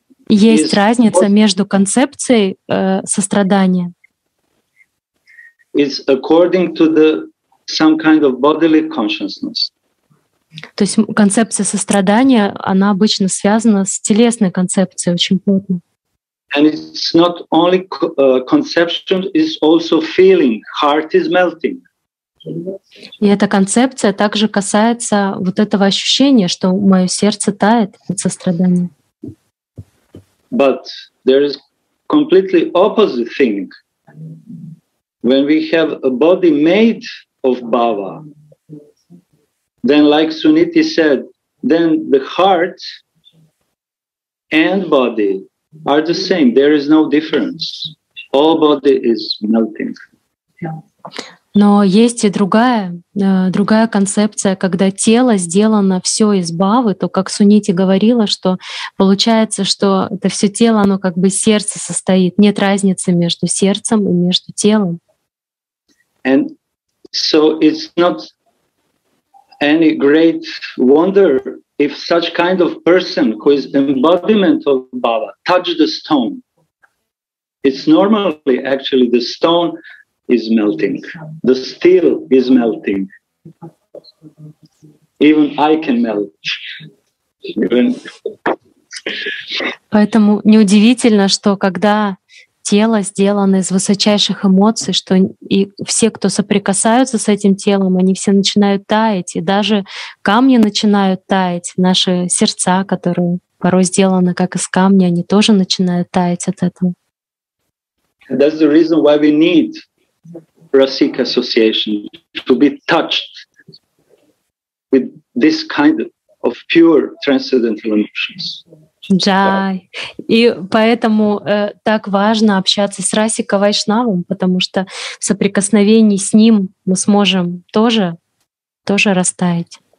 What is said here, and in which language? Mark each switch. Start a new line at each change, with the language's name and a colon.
Russian: Есть разница между концепцией сострадания.
English: It's according to the some kind of bodily consciousness.
Russian: То есть концепция сострадания, она обычно связана с телесной концепцией очень плотно.
English: And it's not only conception, it's also feeling. Heart is melting.
Russian: И эта концепция также касается вот этого ощущения, что мое сердце тает от сострадания.
English: But there is completely opposite thing. When we have a body made of bhava, then like Suniti said, then the heart and body are the same. There is no difference. All body is melting.
Russian: Но есть и другая концепция, когда тело сделано все из бхавы, то, как Сунити говорила, что получается, что это все тело, оно как бы сердце состоит. Нет разницы между сердцем и между телом.
English: And so it's not any great wonder if such kind of person who is embodiment of bhava touch the stone. It's normally actually the stone is melting. The steel is melting. Even I can melt. Even...
Russian: Поэтому неудивительно, что когда тело сделано из высочайших эмоций, что и все, кто соприкасаются с этим телом, они все начинают таять, и даже камни начинают таять, наши сердца, которые порой сделаны как из камня, они тоже начинают таять от этого.
English: That's the reason why we need Rasik Association to be touched with this kind of pure transcendental emotions.
Russian: Джай. И поэтому так важно общаться с Расика Вайшнавом, потому что в соприкосновении с ним мы сможем тоже растаять.